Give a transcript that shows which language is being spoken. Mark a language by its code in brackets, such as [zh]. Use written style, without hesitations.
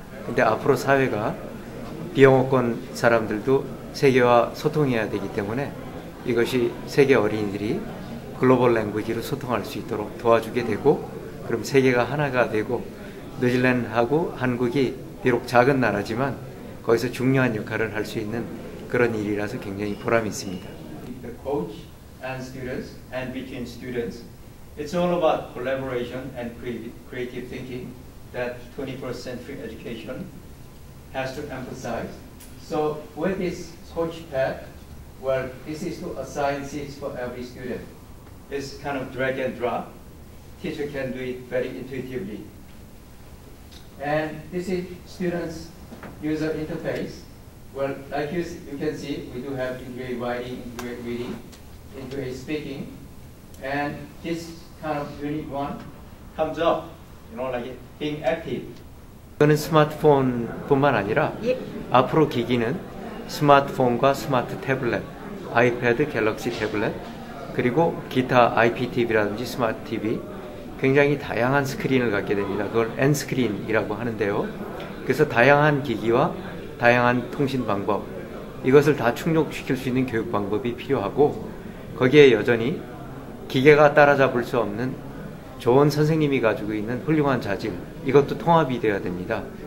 [ko] 그런데 앞으로 사회가 비영어권 사람들도 세계와 소통해야 되기 때문에 이것이 세계 어린이들이 글로벌 랭귀지로 소통할 수 있도록 도와주게 되고 그럼 세계가 하나가 되고 뉴질랜드하고 한국이 비록 작은 나라지만 거기서 중요한 역할을 할 수 있는 그런 일이라서 굉장히 보람이 있습니다. [en] The coach and students and between students, it's all about collaboration and creative thinking that 21st century education has to emphasize. So with this coach path, well, this is to assign seats for every student. It's kind of drag and drop. Teacher can do it very intuitively. And this is students' user interface. Well, like you can see, we do have integrated writing, integrated reading, integrated speaking. And this kind of unit one comes up, you know, like being active. [ko] 이거는 스마트폰뿐만 아니라 예. 앞으로 기기는 스마트폰과 스마트 태블릿, 아이패드, 갤럭시 태블릿, 그리고 기타 IPTV라든지 스마트 TV 굉장히 다양한 스크린을 갖게 됩니다. 그걸 N스크린이라고 하는데요. 그래서 다양한 기기와 다양한 통신 방법 이것을 다 충족시킬 수 있는 교육 방법이 필요하고 거기에 여전히 기계가 따라잡을 수 없는 좋은 선생님이 가지고 있는 훌륭한 자질 이것도 통합이 되어야 됩니다.